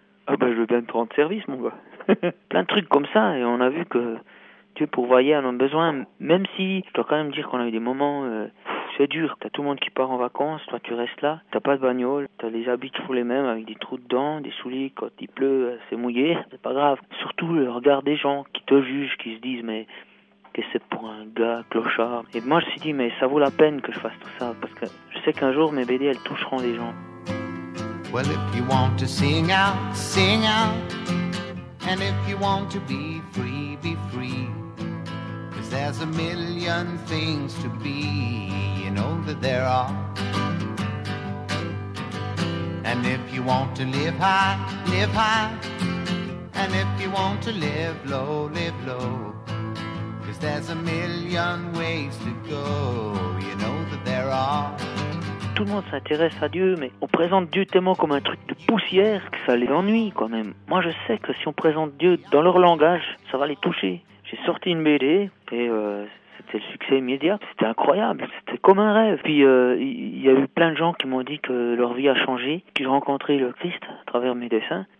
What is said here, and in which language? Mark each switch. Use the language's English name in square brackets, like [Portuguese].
[French] Je veux bien te rendre service, mon gars. Plein de trucs comme ça, et on a vu que Dieu pourvoyait à nos besoins, même si, je dois quand même dire qu'on a eu des moments, c'est dur, t'as tout le monde qui part en vacances, toi tu restes là, t'as pas de bagnole, t'as les habits toujours les mêmes, avec des trous dedans, des souliers, quand il pleut, c'est mouillé, c'est pas grave. Surtout le regard des gens qui te jugent, qui se disent, mais qu'est-ce que c'est pour un gars clochard? Et moi je me suis dit, mais ça vaut la peine que je fasse tout ça, parce que je sais qu'un jour mes BD, elles toucheront des gens. [English] Well, if you want to sing out, sing out. And if you want to be free, be free. Cause there's a million things to be, you know that there are. And if you want to live high, live high. And if you you want to live low, live low. 'Cause there's a million ways to go. You know that there are. [French] Tout le monde s'intéresse à Dieu, mais on présente Dieu tellement comme un truc de poussière que ça les ennuie quand même. Moi je sais que si on présente Dieu dans leur langage, ça va les toucher. J'ai sorti une BD et c'était le succès immédiat. C'était incroyable, c'était comme un rêve. Puis il y a eu plein de gens qui m'ont dit que leur vie a changé, qu'ils rencontraient le Christ à travers mes dessins.